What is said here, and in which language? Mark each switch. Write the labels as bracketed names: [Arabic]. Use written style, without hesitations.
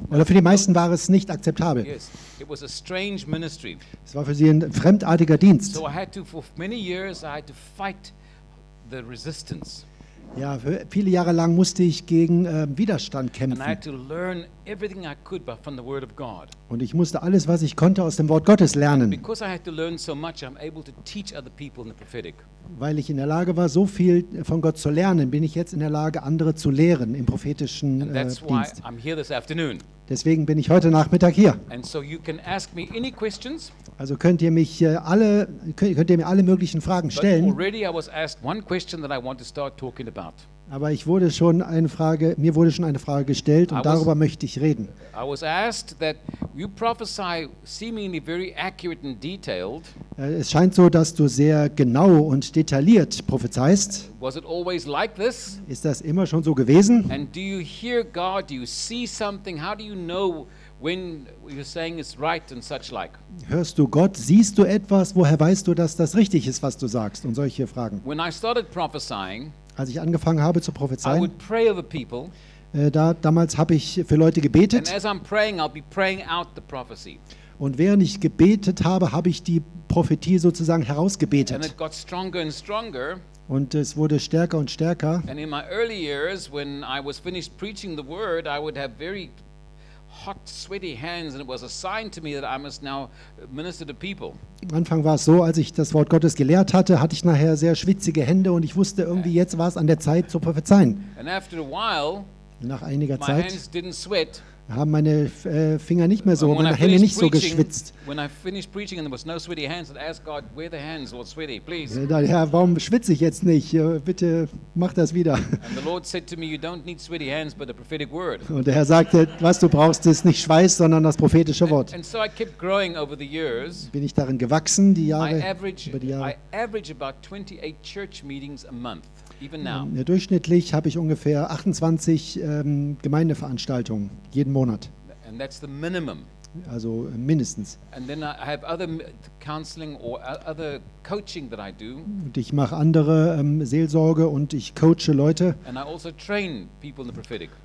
[German] Oder für die meisten war es nicht akzeptabel. [English] Yes, it was a strange ministry. [German] Es war für sie ein fremdartiger Dienst. [English] So I had to, for many years I had to fight the resistance. [German] Ja, für viele Jahre lang musste ich gegen Widerstand kämpfen. [English] And I had to learn everything I could from the Word of God. [German] Und ich musste alles, was ich konnte, aus dem Wort Gottes lernen. [English] Because I had to learn so much, I'm able to teach other people in the prophetic. [German] Weil ich in der Lage war, so viel von Gott zu lernen, bin ich jetzt in der Lage, andere zu lehren im prophetischen Dienst. [English] I'm here this afternoon. [German] Deswegen bin ich heute Nachmittag hier. [English] And so you can ask me any questions. [German] Also könnt ihr mir alle möglichen Fragen stellen. [English] But already I was asked one question that I want to start talking about. [German] Aber mir wurde schon eine Frage gestellt und darüber möchte ich reden. [English] I was asked that you prophesy seemingly very accurate and detailed. [German] Es scheint so, dass du sehr genau und detailliert prophezeist. [English] Was it always like this? [German] Ist das immer schon so gewesen? [English] And do you hear God? Do you see something? How do you know when you're saying it's right and such like? [German] Hörst du Gott? Siehst du etwas? Woher weißt du, dass das richtig ist, was du sagst? Und solche Fragen. [English] When I started prophesying, [German] als ich angefangen habe zu prophezeien, [English] I would pray over people, [German] damals habe ich für Leute gebetet. [English] And as I'm praying, I'll be praying out the prophecy. [German] Und während ich gebetet habe, habe ich die Prophetie sozusagen herausgebetet. [English] And it got stronger and stronger. [German] Und es wurde stärker und stärker. [English] And in my early years, when I was finished preaching the word, I would have very hot, sweaty hands, and it was a sign to me that I must now minister to people. [German] Am Anfang war es so, als ich das Wort Gottes gelehrt hatte, hatte ich nachher sehr schwitzige Hände und ich wusste irgendwie, jetzt war es an der Zeit zu prophezeien. [English] And after a while, [German] nach einiger Zeit, [English] my hands didn't sweat. [German] Haben meine Finger nicht mehr so, [English] when [German] meine Hände nicht so geschwitzt. [English] When I finished preaching and there was no sweaty hands, I asked God, where the hands were sweaty, please. [German] Ja, Herr, warum schwitze ich jetzt nicht? Bitte mach das wieder. [English] And the Lord said to me, you don't need sweaty hands, but a prophetic word. [German] Und der Herr sagte, was du brauchst, ist nicht Schweiß, sondern das prophetische Wort. [English] And so I kept growing over the years. [German] Bin ich darin gewachsen, die Jahre, über die Jahre. [English] I average about 28 church meetings a month. Even now. [German] Durchschnittlich habe ich ungefähr 28 Gemeindeveranstaltungen jeden Monat. [English] And that's the minimum. [German] also mindestens. [English] And then I have other counseling or other coaching that I do. [German] Und ich mache andere Seelsorge und ich coache Leute. [English] And I also train people in the prophetic.